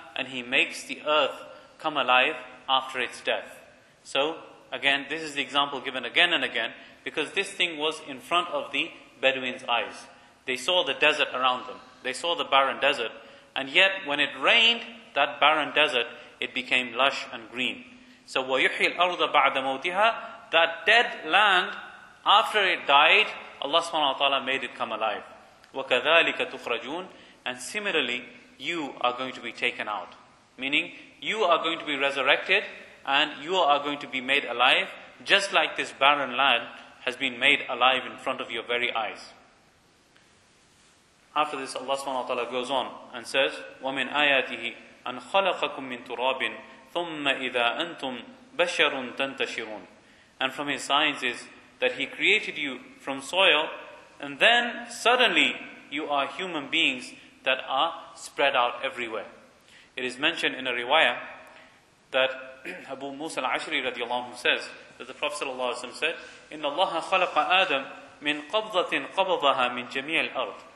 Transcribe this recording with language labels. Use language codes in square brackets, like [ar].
[en] And He makes the earth come alive after its death. So, again, this is the example given again and again, because this thing was in front of the Bedouins' eyes. They saw the desert around them. They saw the barren desert. And yet, when it rained, that barren desert, it became lush and green. [ar] So, وَيُحِي الْأَرْضَ بَعْدَ مَوْتِهَا. [en] That dead land, after it died, Allah subhanahu wa ta'ala made it come alive. [ar] وَكَذَٰلِكَ تُخْرَجُونَ. [en] And similarly, you are going to be taken out. Meaning, you are going to be resurrected and you are going to be made alive, just like this barren land has been made alive in front of your very eyes. After this, Allah subhanahu wa ta'ala goes on and says, [ar] وَمِنْ آيَاتِهِ أَنْ خَلَقَكُمْ مِنْ تُرَابٍ ثُمَّ إِذَا أَنْتُمْ بَشَرٌ تَنْتَشِرُونَ. [en] And from His signs is that He created you from soil, and then suddenly you are human beings that are spread out everywhere. It is mentioned in a riwayah that Abu Musa al-Ashri radiallahu anhu says that the Prophet sallallahu alaihi wasallam said, [ar] إِنَّ اللَّهَ خَلَقَ آدَمْ مِنْ قَبْضَةٍ قَبَضَهَا مِنْ جَمِيعِ الْأَرْضِ.